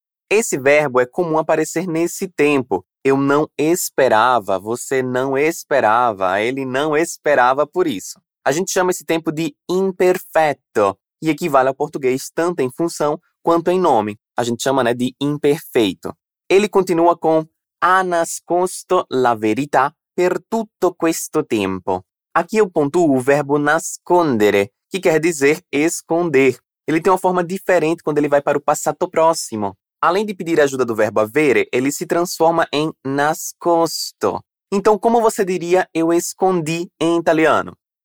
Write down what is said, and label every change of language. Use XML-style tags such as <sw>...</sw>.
<pt>Esse verbo é comum aparecer nesse tempo. Eu não esperava, você não esperava, ele não esperava por isso. A gente chama esse tempo de imperfeito e equivale ao português tanto em função quanto em nome. A gente chama, né, de imperfeito. Ele continua com</pt> <it>"ha nascosto la verità per tutto questo tempo".</it> <pt>Aqui eu pontuo o verbo nascondere, que quer dizer esconder. Ele tem uma forma diferente quando ele vai para o passato próximo. Além de pedir ajuda do verbo avere, ele se transforma em nascosto. Então, como você diria "eu escondi" em italiano?</pt>